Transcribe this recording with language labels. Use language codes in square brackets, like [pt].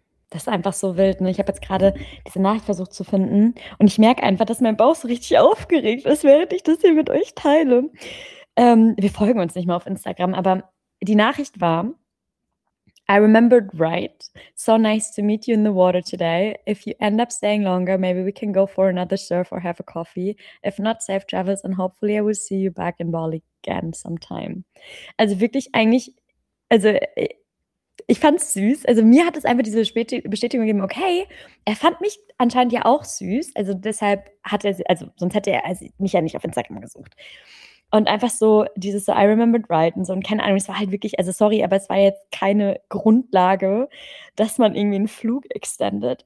[de] Das ist einfach so wild, ne? Ich habe jetzt gerade diese Nachricht versucht zu finden und ich merke einfach, dass mein Bauch so richtig aufgeregt ist, während ich das hier mit euch teile. Wir folgen uns nicht mehr auf Instagram, aber die Nachricht war, [en] I remembered right, so nice to meet you in the water today. If you end up staying longer, maybe we can go for another surf or have a coffee. If not, safe travels and hopefully I will see you back in Bali again sometime. [de] Also wirklich eigentlich, also ich fand es süß. Also mir hat es einfach diese Bestätigung gegeben, okay, er fand mich anscheinend ja auch süß. Also deshalb hat er, also sonst hätte er mich ja nicht auf Instagram gesucht. Und einfach so dieses so, [en] I remembered right [de] und so. Und keine Ahnung, es war halt wirklich, also sorry, aber es war jetzt keine Grundlage, dass man irgendwie einen Flug extendet.